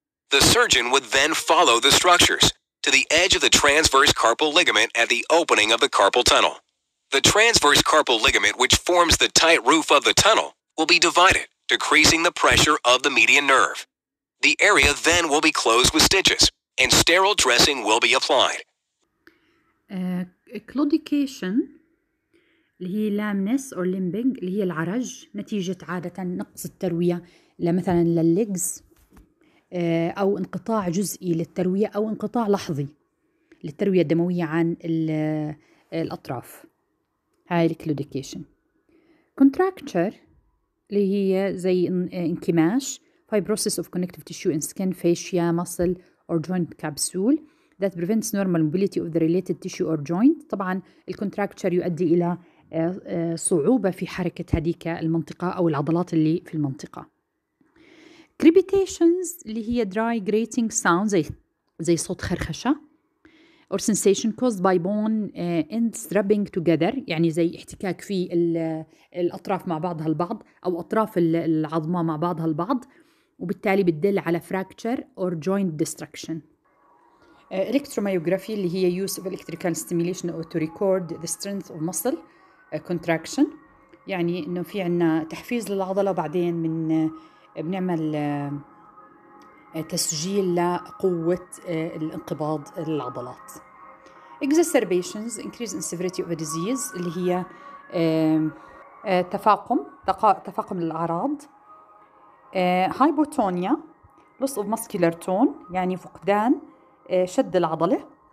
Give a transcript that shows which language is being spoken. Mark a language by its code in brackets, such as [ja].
[en] The surgeon would then follow the structures to the edge of the transverse carpal ligament at the opening of the carpal tunnel. The transverse carpal ligament, which forms the tight roof of the tunnel, will be divided, decreasing the pressure of the median nerve. The area then will be closed with stitches, and sterile dressing will be applied. Claudication. [ar] اللي هي [en] lameness or limping [ar] اللي هي العرج نتيجة عادة نقص التروية لمثلا للليجز أو انقطاع جزئي للتروية أو انقطاع لحظي للتروية الدموية عن الأطراف هاي الكلوديكيشن contracture اللي هي زي انكماش [en] fibrosis of connective tissue in skin, fascia, muscle or joint capsule that prevents normal mobility of the related tissue or joint. [ar] طبعا الكونتراكتشر يؤدي إلى صعوبة في حركة هذيك المنطقة أو العضلات اللي في المنطقة. Crepitations اللي هي [en] dry grating sound [ar] زي صوت خرخشة [en] or sensation caused by bone ends rubbing together [ar] يعني زي احتكاك في الأطراف مع بعضها البعض أو أطراف العظمة مع بعضها البعض وبالتالي بتدل على [en] fracture or joint destruction. [ar] Electromyography اللي هي [en] use of electrical stimulation or to record the strength of muscle contraction [ar] يعني إنه في عنا تحفيز للعضلة بعدين من بنعمل تسجيل لقوة الانقباض العضلات. [en] Exacerbations increase in severity of a disease [ar] اللي هي تفاقم الأعراض. [en] Hypotonia loss of muscular tone [ar] يعني فقدان شد العضلة.